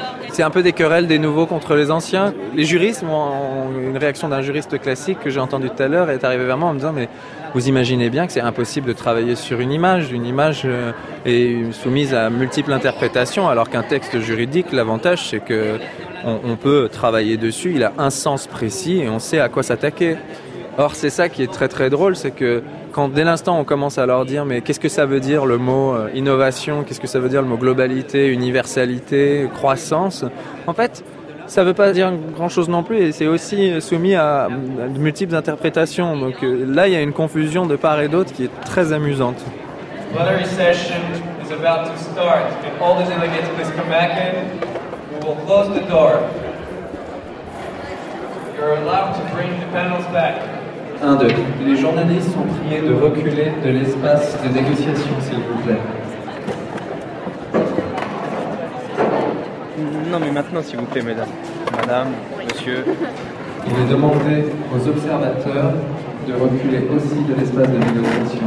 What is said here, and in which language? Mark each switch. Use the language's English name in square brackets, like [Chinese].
[French] C'est un peu des querelles des nouveaux contre les anciens. Les juristes ont une réaction d'un juriste classique que j'ai entendu tout à l'heure est arrivé vraiment en me disant « Mais vous imaginez bien que c'est impossible de travailler sur une image est soumise à multiples interprétations, alors qu'un texte juridique, l'avantage, c'est qu'on peut travailler dessus, il a un sens précis et on sait à quoi s'attaquer. » Or, c'est ça qui est très très drôle, c'est que quand dès l'instant on commence à leur dire « Mais qu'est-ce que ça veut dire le mot innovation ? Qu'est-ce que ça veut dire le mot globalité, universalité, croissance ?» En fait, ça ne veut pas dire grand-chose non plus et c'est aussi soumis à de multiples interprétations. Donc là, il y a une confusion de part et d'autre qui est très amusante. [English] « Plenary session is about to start. If all the delegates please come back in, we will close the door. » You're allowed to bring the panels back. 1, 2. [French] Les journalistes sont priés de reculer de l'espace de négociation, s'il vous plaît. Non, mais maintenant, s'il vous plaît, mesdames. Madame, oui. Monsieur. Il est demandé aux observateurs de reculer aussi de l'espace de négociation.